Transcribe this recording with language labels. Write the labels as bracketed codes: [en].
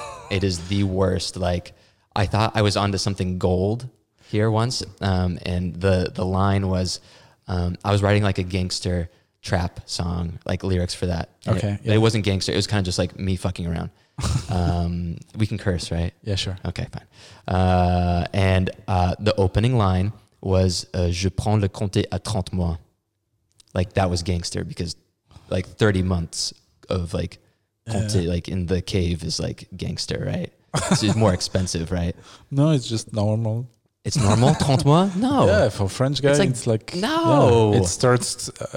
[en] It is the worst. Like, I thought I was onto something gold here once, and the line was, I was writing like a gangster trap song, like lyrics for that. Okay. But it wasn't gangster, it was kind of just like me fucking around. We can curse, right? Yeah, sure. Okay, fine. The opening line was, [fr] je prends le compte à 30 mois. [en] Like, that was gangster, because like 30 months of like compte, like in the cave, is like gangster, right? So it's more expensive, right? No, it's just normal. It's normal, 30 mois? No. Yeah, for French guys, it's like no. Yeah, it starts